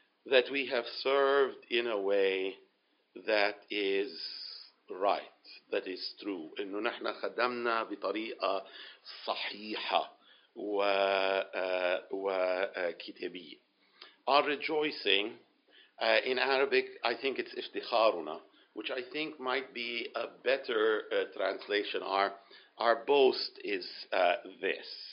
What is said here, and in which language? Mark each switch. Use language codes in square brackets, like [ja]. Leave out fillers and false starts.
[en] That we have served in a way that is right, that is true. [ar] إنه نحن خدمنا بطريقة صحيحة وكتابية. [en] Our rejoicing, in Arabic, I think it's iftikharuna, which I think might be a better translation. Our boast is this.